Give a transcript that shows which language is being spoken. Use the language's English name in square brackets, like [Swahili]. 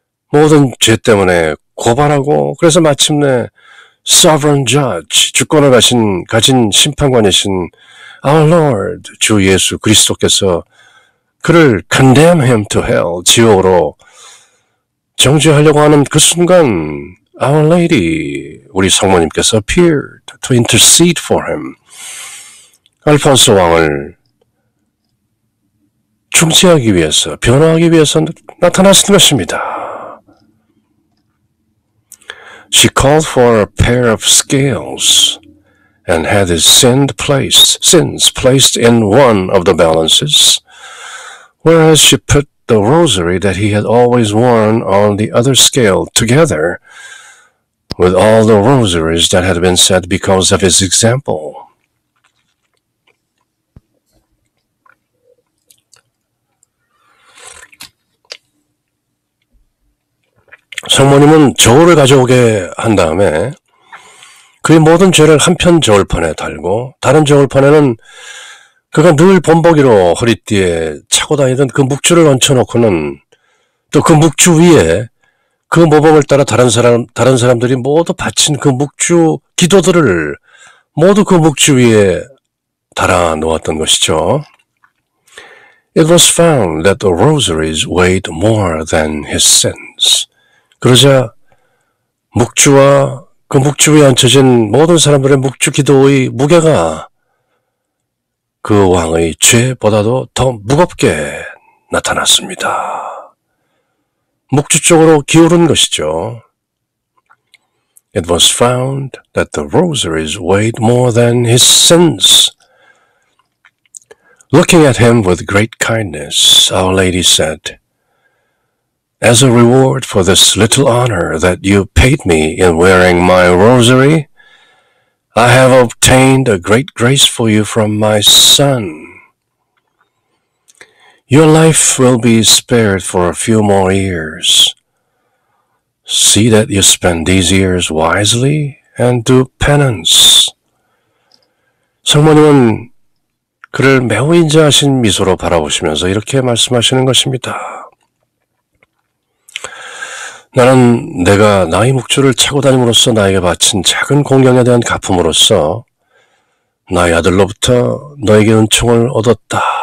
[Korean] 모든 죄 때문에 고발하고 그래서 마침내 [English] sovereign judge [Korean] 주권을 가진 심판관이신 [English] our Lord [Korean] 주 예수 그리스도께서 그를 [English] condemn him to hell, [Korean] 지옥으로 정죄하려고 하는 그 순간 [English] Our Lady, [Korean] 우리 성모님께서 [English] appeared to intercede for him. [Korean] 알폰소 왕을 중재하기 위해서, 변호하기 위해서 나타났던 것입니다. [English] She called for a pair of scales and had his sins placed in one of the balances. Whereas she put the rosary that he had always worn on the other scale together with all the rosaries that had been said because of his example. [Korean] 성모님은 저울을 가져오게 한 다음에 그의 모든 죄를 한편 저울판에 달고 다른 저울판에는 그가 늘 본보기로 허리띠에 차고 다니던 그 묵주를 얹혀놓고는 또 그 묵주 위에 그 모범을 따라 다른 사람들이 모두 바친 그 묵주 기도들을 모두 그 묵주 위에 달아 놓았던 것이죠. [English] It was found that the rosaries weighed more than his sins. [Korean] 그러자 묵주와 그 묵주 위에 얹혀진 모든 사람들의 묵주 기도의 무게가 그 왕의 죄보다도 더 무겁게 나타났습니다. 묵주 쪽으로 기울은 것이죠. [English] It was found that the rosaries weighed more than his sins. Looking at him with great kindness, Our Lady said, As a reward for this little honor that you paid me in wearing my rosary, I have obtained a great grace for you from my son. Your life will be spared for a few more years. See that you spend these years wisely and do penance. [Korean] 성모님은 그를 매우 인자하신 미소로 바라보시면서 이렇게 말씀하시는 것입니다. 나는 내가 나의 묵주를 차고 다님으로써 나에게 바친 작은 공경에 대한 갚음으로써 나의 아들로부터 너에게 은총을 얻었다.